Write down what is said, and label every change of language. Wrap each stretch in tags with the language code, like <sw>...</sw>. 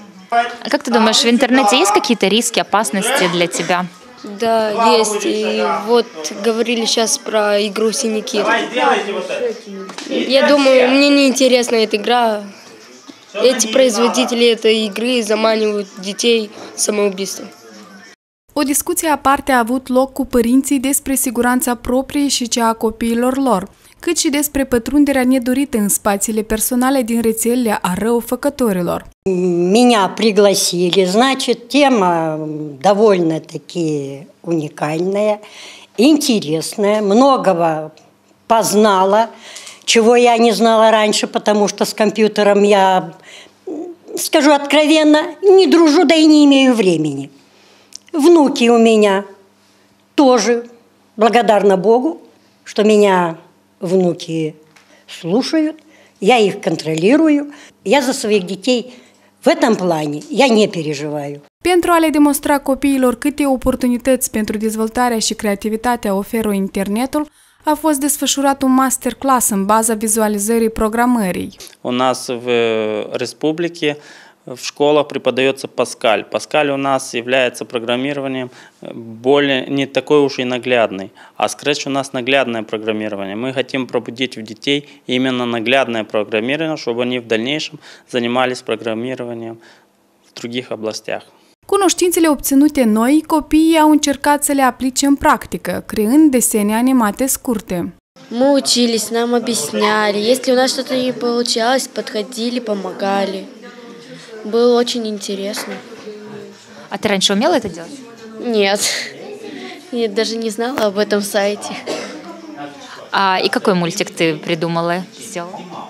<ru>А как ты думаешь, в интернете есть какие-то риски, опасности для тебя? Да, есть. И вот говорили сейчас про игру «Синий кит». Я думаю, мне неинтересна эта игра. Эти производители этой игры заманивают детей самоубийством.</ru> <ro>O discuție aparte a avut loc cu părinții despre siguranța proprie și cea a copiilor lor, cât și despre pătrunderea nedorită în spațiile personale din rețelele a răufăcătorilor.</ro> <ru>Меня пригласили, значит, тема довольно-таки уникальная, интересная, многого познала, чего я не знала раньше, потому что с компьютером я, скажу откровенно, не дружу, да и не имею времени. Внуки у меня тоже, благодарна Богу, что меня внуки слушают, я их контролирую, я за своих детей в этом плане, я не переживаю.</ru> <ro>Pentru a le demonstra copiilor câte oportunități pentru dezvoltarea și creativitatea oferă internetul, a fost desfășurat un masterclass în baza vizualizării programării.</ro> <ru>У нас в республике в школах преподается Паскаль. Паскаль у нас является программированием более не такой уж и наглядный, а Scratch у нас наглядное программирование. Мы хотим пробудить в детей именно наглядное программирование, чтобы они в дальнейшем занимались программированием в других областях.</ru> <ro>Cunoștințele obținute noi, copiii au încercat să le aplice în practică, creând desene animate scurte.</ro> <ru>Мы учились, нам объясняли. Если у нас что-то не получалось, подходили, помогали. Было очень интересно. А ты раньше умела это делать? Нет. Я даже не знала об этом сайте. А и какой мультик ты придумала, сделала?</ru>